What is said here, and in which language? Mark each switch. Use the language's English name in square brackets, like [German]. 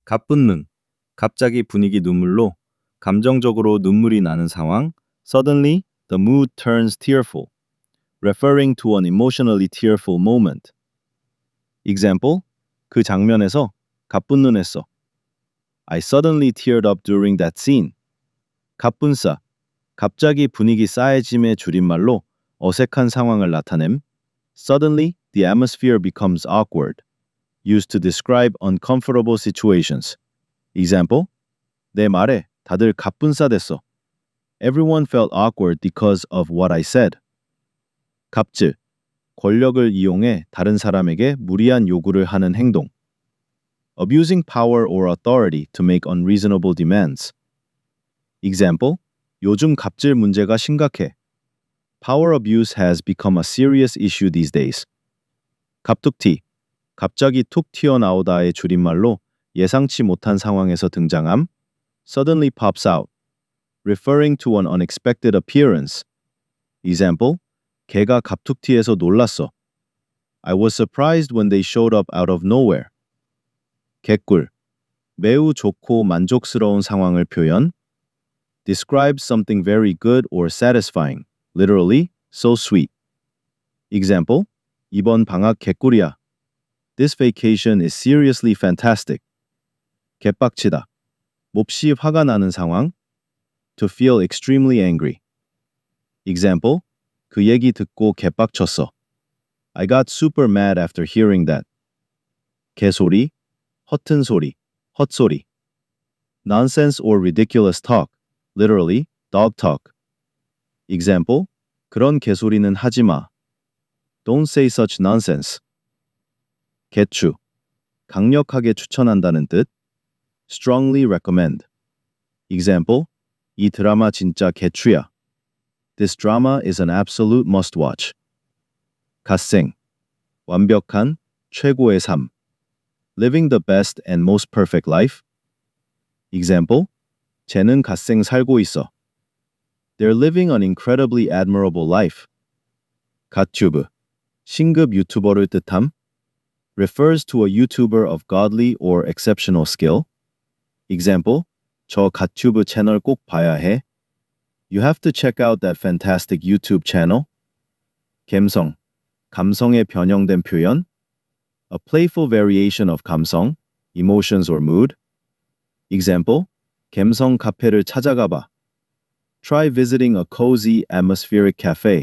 [English] 갑분능, [Korean] 갑자기 분위기 눈물로 감정적으로 눈물이 나는 상황, [English] suddenly the mood turns tearful, referring to an emotionally tearful moment. [Korean] Example, 그 장면에서 갑분능했어. [English] I suddenly teared up during that scene. [Korean] 갑분싸, 갑자기 분위기 싸해짐의 줄임말로 어색한 상황을 나타냄. [English] Suddenly, the atmosphere becomes awkward. Used to describe uncomfortable situations. [Korean] Example, 내 말에 다들 갑분싸됐어. [English] Everyone felt awkward because of what I said. [Korean] 갑질, 권력을 이용해 다른 사람에게 무리한 요구를 하는 행동. [English] Abusing power or authority to make unreasonable demands. [Korean] Example, 요즘 갑질 문제가 심각해. [English] Power abuse has become a serious issue these days. [Korean] 갑툭튀, 갑자기 툭 튀어나오다의 줄임말로 예상치 못한 상황에서 등장함. [English] Suddenly pops out. Referring to an unexpected appearance. [Korean] Example, 개가 갑툭튀에서 놀랐어. [English] I was surprised when they showed up out of nowhere. [Korean] 개꿀, 매우 좋고 만족스러운 상황을 표현. [English] Describe something very good or satisfying. Literally, so sweet. [Korean] Example, 이번 방학 개꿀이야. [English] This vacation is seriously fantastic. [Korean] 개빡치다. 몹시 화가 나는 상황. [English] To feel extremely angry. [Korean] Example, 그 얘기 듣고 개빡쳤어. [English] I got super mad after hearing that. [Korean] 개소리, 허튼 소리, 헛소리. [English] Nonsense or ridiculous talk. Literally, dog talk. [Korean] Example, 그런 개소리는 하지 마. [English] Don't say such nonsense. [Korean] 개추, 강력하게 추천한다는 뜻. [English] Strongly recommend. [Korean] Example, 이 드라마 진짜 개추야. [English] This drama is an absolute must watch. [Korean] 갓생, 완벽한, 최고의 삶. [English] Living the best and most perfect life. [Korean] Example, 쟤는 갓생 살고 있어. [English] They're living an incredibly admirable life. [Korean] 갓튜브, 신급 유튜버를 뜻함. [English] Refers to a YouTuber of godly or exceptional skill. [Korean] Example, 저 갓튜브 채널 꼭 봐야 해. [English] You have to check out that fantastic YouTube channel. [Korean] 감성, 감성의 변형된 표현. [English] A playful variation of 감성, emotions or mood. Example, [Korean] 감성 카페를 찾아가 봐. [English] Try visiting a cozy, atmospheric cafe.